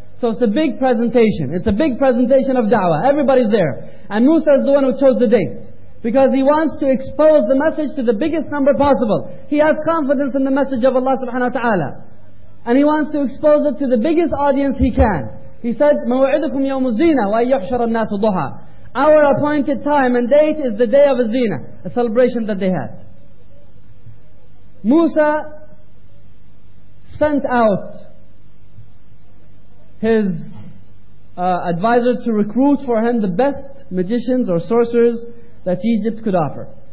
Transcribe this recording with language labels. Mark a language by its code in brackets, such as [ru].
[en] So it's a big presentation. It's a big presentation of da'wah. Everybody's there. And Musa is the one who chose the date, because he wants to expose the message to the biggest number possible. He has confidence in the message of Allah subhanahu wa ta'ala. And he wants to expose it to the biggest audience he can. [ar] He said, مَوْعِدُكُمْ يَوْمُ الزِّينَةِ وَأَيُّحْشَرَ النَّاسُ ضُحَى. [en] Our appointed time and date is the day of al-Zina, a celebration that they had. Musa sent out his advisors to recruit for him the best magicians or sorcerers that Egypt could offer.